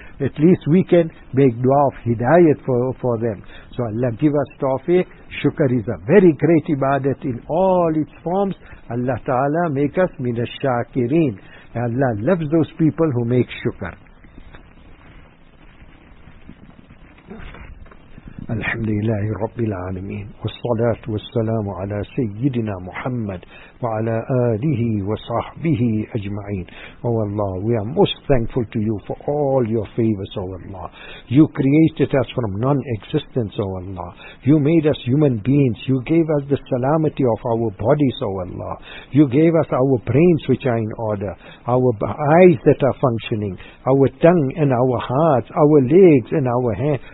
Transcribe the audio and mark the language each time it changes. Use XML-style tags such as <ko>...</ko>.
<en>At least we can make dua of hidayat for them. So Allah give us tawfiq. Shukr is a very great ibadat in all its forms. Allah Ta'ala make us minash shakirin. Allah loves those people who make shukr.</en> <ar>الحمد لله رب العالمين والصلاة والسلام على سيدنا محمد وعلى آله وصحبه أجمعين.</ar> <en>Oh Allah, we are most thankful to you for all your favors, oh Allah. You created us from non-existence, oh Allah. You made us human beings. You gave us the salamity of our bodies, oh Allah. You gave us our brains which are in order, our eyes that are functioning, our tongue and our hearts, our legs and our hands.</en>